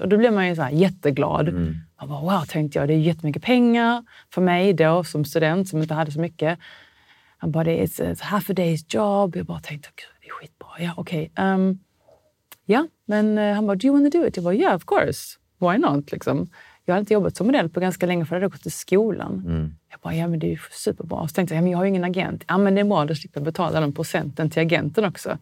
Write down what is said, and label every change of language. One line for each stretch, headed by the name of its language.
Swedish: Och då blev man ju så här jätteglad. Mm. Jag bara, wow, tänkte jag. Det är jättemycket pengar för mig då som student som inte hade så mycket. Han bara,
English: it's half a day's job.
Swedish: Jag bara tänkte, gud, det är skitbra. Ja, okej. Ja, men han bara,
English: do you want to do it?
Swedish: Jag bara,
English: yeah, of course. Why not,
Swedish: liksom. Jag har inte jobbat som modell på ganska länge för att jag hade gått till skolan. Mm. Jag bara, ja men det är ju superbra. Och så tänkte jag, ja men jag har ju ingen agent. Ja men det är bra, då slipper jag betala den procenten till agenten också.